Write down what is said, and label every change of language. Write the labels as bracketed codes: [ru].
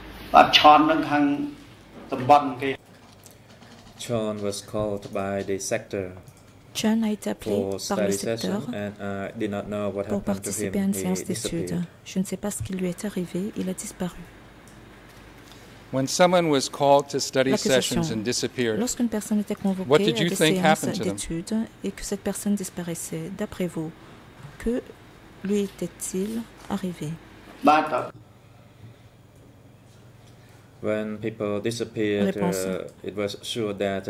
[fr] Pas. [en] John was called by the sector. [fr] John a été appelé par le secteur pour participer à une séance d'étude. Je ne sais pas ce qui lui est arrivé, il a disparu. [en] When someone was called to study sessions and disappeared, [fr] lorsqu'une personne était convoquée à des séances d'étude et que cette personne disparaissait, d'après vous, que lui était-il arrivé? [en] When people disappeared, it was sure that